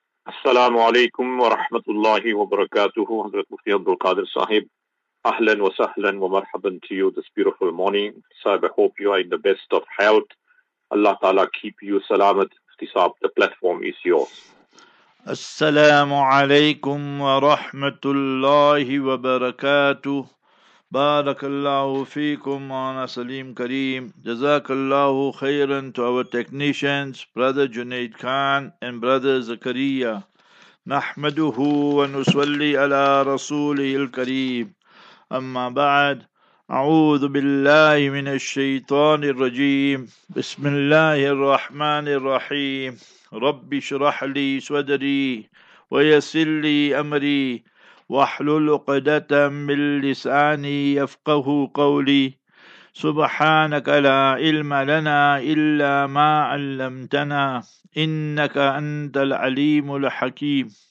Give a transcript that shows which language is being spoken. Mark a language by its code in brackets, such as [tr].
[ar] السلام عليكم ورحمة الله وبركاته. حضرت مفتي عبد القادر صاحب, أهلا وسهلا ومرحبا [en] to you this beautiful morning. صاحب, I hope you are in the best of health. الله تعالى keep you سلامت. مفتي صاحب, the platform is yours. [ar] السلام عليكم ورحمة الله وبركاته. بارك الله فيكم أنا سليم كريم. [en] جزاك الله خيرا to our technicians, brother Junaid Khan and brother Zakaria. [ar] نحمده ونصلي على رسوله الكريم. أما بعد, أعوذ بالله من الشيطان الرجيم. بسم الله الرحمن الرحيم. رب اشرح لي صدري ويسر لي أمري واحلل عقدة من لساني يفقه قولي سبحانك لا علم لنا إلا ما علمتنا إنك أنت العليم الحكيم.